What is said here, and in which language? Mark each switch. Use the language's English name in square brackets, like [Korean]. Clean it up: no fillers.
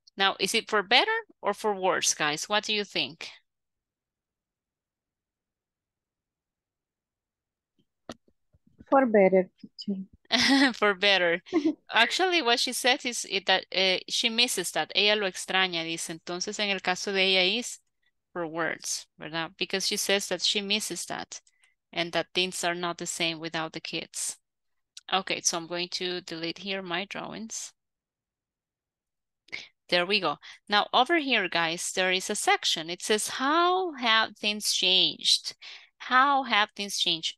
[English] Now, is it for better or for worse, guys? What do you think? For better. For better. Actually, what she said is that she misses that. [Spanish] Ella lo extraña, dice. Entonces, en el caso de ella [English] is for worse, [Spanish] ¿verdad? [English] Because she says that she misses that. And that things are not the same without the kids. Okay, so I'm going to delete here my drawings. There we go. Now over here, guys, there is a section. It says, how have things changed? How have things changed?